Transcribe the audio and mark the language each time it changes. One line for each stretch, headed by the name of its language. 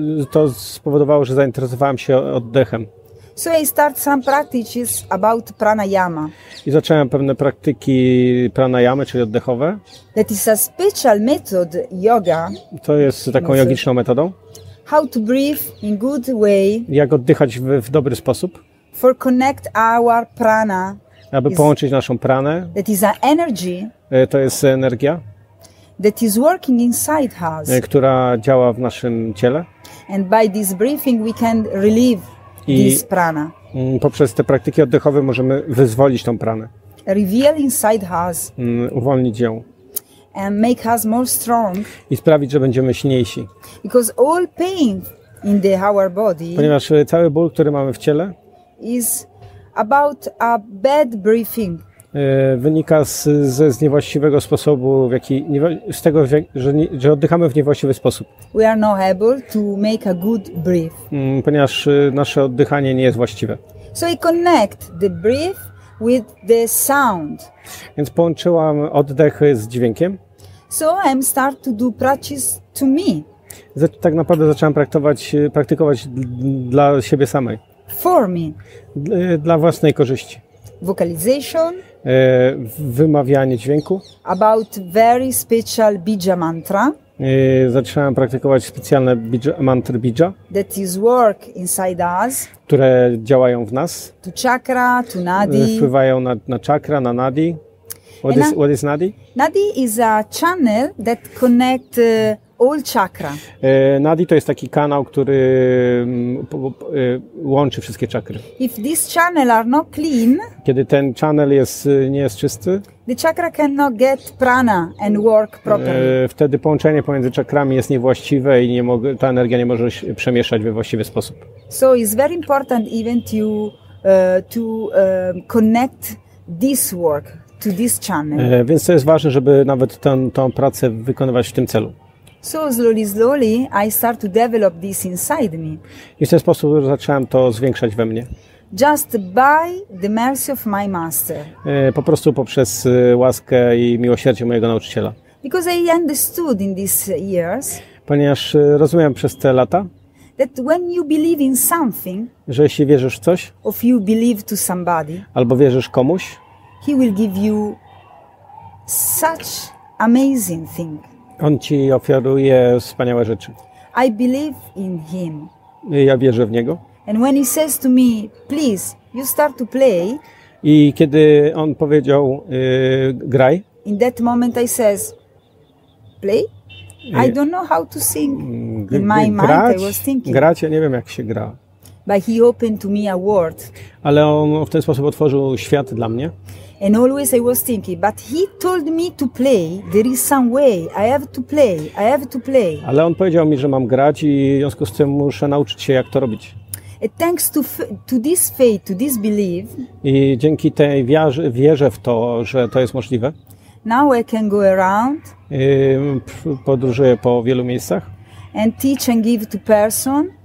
Polish: To spowodowało, że zainteresowałam się oddechem.
English: So I start some practices about pranayama.
Polish: I zacząłem pewne praktyki pranayamy, czyli oddechowe.
English: That is a special method yoga.
Polish: To jest taką jogiczną metodą.
English: How to breathe in good way.
Polish: Jak oddychać w dobry sposób.
English: For connect our prana.
Polish: Aby połączyć naszą pranę.
English: That is an energy.
Polish: To jest energia.
English: That is working inside us.
Polish: Która działa w naszym ciele.
English: And by this breathing we can relieve.
Polish: I poprzez te praktyki oddechowe możemy wyzwolić tą pranę.
English: Reveal inside us.
Polish: Uwolnić ją.
English: And make us more strong.
Polish: I sprawić, że będziemy silniejsi.
English: Because all pain in the our body.
Polish: Ponieważ cały ból, który mamy w ciele,
English: is about a bad breathing.
Polish: Wynika z niewłaściwego sposobu, w jaki, z tego, że oddychamy w niewłaściwy sposób.
English: We are not able to make a good breath.
Polish: Ponieważ nasze oddychanie nie jest właściwe.
English: So I connect the breath with the sound.
Polish: Więc połączyłam oddech z dźwiękiem.
English: So I'm start to do practice to me.
Polish: Tak naprawdę zaczęłam praktykować dla siebie samej.
English: For me.
Polish: Dla własnej korzyści.
English: Vocalization.
Polish: Wymawianie dźwięku.
English: About very special bija mantra.
Polish: Zaczynałem praktykować specjalne mantry bija.
English: That is work inside us.
Polish: Które działają w nas.
English: To chakra, to nadi.
Polish: Wpływają na chakra, na nadi.
English: What is nadi? Nadi is a channel that connect all chakra.
Polish: Nadi to jest taki kanał, który łączy wszystkie czakry.
English: If this channel are not clean,
Polish: kiedy ten channel nie jest czysty,
English: the chakra cannot get prana and work properly.
Polish: Wtedy połączenie pomiędzy czakrami jest niewłaściwe i ta energia nie może się przemieszać we właściwy sposób.
English: So it's very important even to connect this work to this channel.
Polish: Więc to jest ważne, żeby nawet tą pracę wykonywać w tym celu.
English: So slowly, slowly, I start to develop this inside me.
Polish: I w ten sposób zacząłem to zwiększać we mnie.
English: Just by the mercy of my master.
Polish: Po prostu poprzez łaskę i miłosierdzie mojego nauczyciela.
English: Because I understood in these years.
Polish: Ponieważ rozumiem przez te lata.
English: That when you believe in something.
Polish: Że jeśli wierzysz w coś.
English: Or you believe to somebody.
Polish: Albo wierzysz komuś.
English: He will give you such amazing thing.
Polish: On ci ofiaruje wspaniałe rzeczy.
English: I believe in him.
Polish: Ja wierzę w niego.
English: And when he says to me, please, you start to play.
Polish: I kiedy on powiedział, graj.
English: In that moment I says, play? I don't know how to sing. In my
Polish: grać,
English: mind I was thinking.
Polish: Grać, ja nie wiem jak się gra.
English: But he opened to me a world.
Polish: Ale on w ten sposób otworzył świat dla mnie.
English: And always I was thinking, but he told me to play. There is some way. I have to play. I have to play.
Polish: Ale on powiedział mi, że mam grać i w związku z tym muszę nauczyć się jak to robić.
English: And thanks to this faith, to this belief.
Polish: I dzięki tej wierze w to, że to jest możliwe.
English: Now I can go around.
Polish: Podróżuję po wielu miejscach.
English: And teach and give to person.